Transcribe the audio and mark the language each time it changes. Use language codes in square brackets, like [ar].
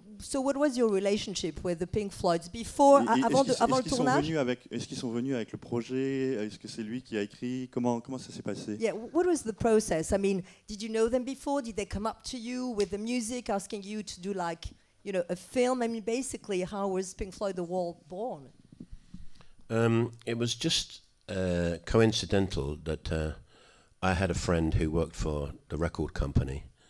[en] So what was your relationship with the Pink Floyds before, [fr] avant le tournage? Est-ce qu'ils sont venus avec le projet? Est-ce que c'est lui qui a écrit? Comment ça s'est passé? [en] Yeah. What was the process? I mean, did you know them before? Did they come up to you with the music, asking you to do like, you know, a film? I mean, basically, how was Pink Floyd The Wall born? It was just coincidental that I had a friend who worked for the record company.